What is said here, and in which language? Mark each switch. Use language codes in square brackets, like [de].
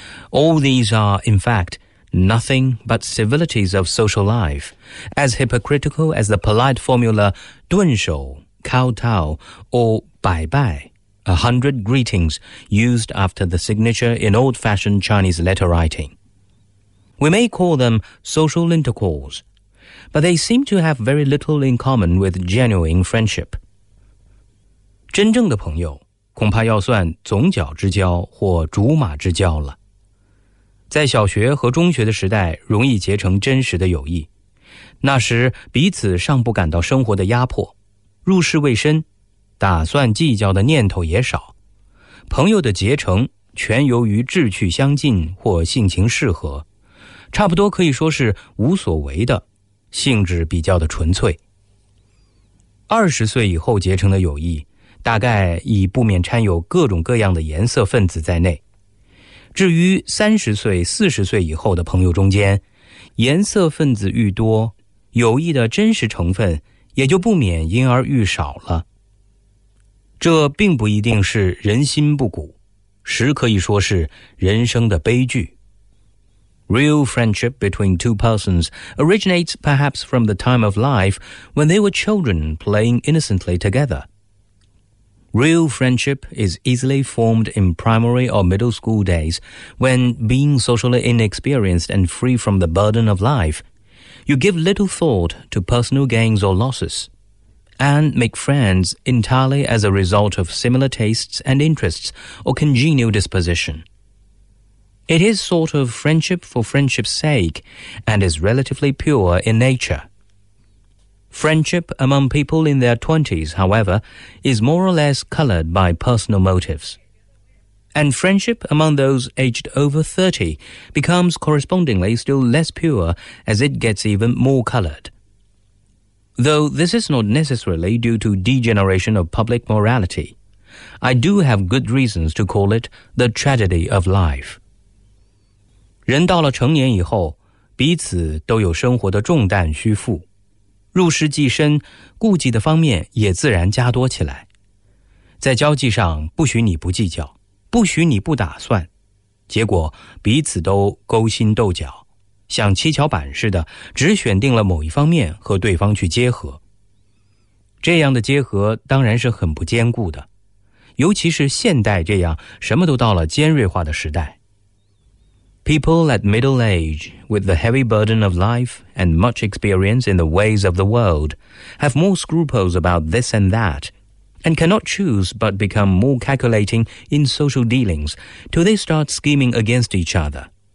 [en] All these are, in fact, nothing but civilities of social life, as hypocritical as the polite formula 顿首, 靠道, or 拜拜, 100 greetings used after the signature in old-fashioned Chinese letter writing. We may call them social intercourse, but they seem to have very little in common with genuine friendship. [zh] 真正的朋友恐怕要算总角之交或竹马之交了。在小学和中学的时代容易结成真实的友谊，那时彼此尚不感到生活的压迫，入世未深，打算计较的念头也少，朋友的结成全由于志趣相近或性情适合，差不多可以说是无所谓的，性质比较的纯粹。 20岁以后结成的友谊大概已不免掺有各种各样的颜色分子在内，至于30岁、40岁以后的朋友中间，颜色分子愈多，友谊的真实成分也就不免因而愈少了。这并不一定是人心不古，实可以说是人生的悲剧。 [en] Real friendship between two persons originates perhaps from the time of life when they were children playing innocently together. Real friendship is easily formed in primary or middle school days when, being socially inexperienced and free from the burden of life, you give little thought to personal gains or losses, and make friends entirely as a result of similar tastes and interests or congenial disposition. It is sort of friendship for friendship's sake and is relatively pure in nature. Friendship among people in their 20s, however, is more or less colored by personal motives. And friendship among those aged over 30 becomes correspondingly still less pure as it gets even more colored. Though this is not necessarily due to degeneration of public morality, I do have good reasons to call it the tragedy of life. [zh] 人到了成年以后，彼此都有生活的重担需负，入世既深，顾忌的方面也自然加多起来。在交际上，不许你不计较，不许你不打算，结果彼此都勾心斗角，像七巧板似的，只选定了某一方面和对方去结合。这样的结合当然是很不坚固的，尤其是现代这样什么都到了尖锐化的时代。 [en] People at middle age, with the heavy burden of life and much experience in the ways of the world, have more scruples about this and that, and cannot choose but become more calculating in social dealings till they start scheming against each other.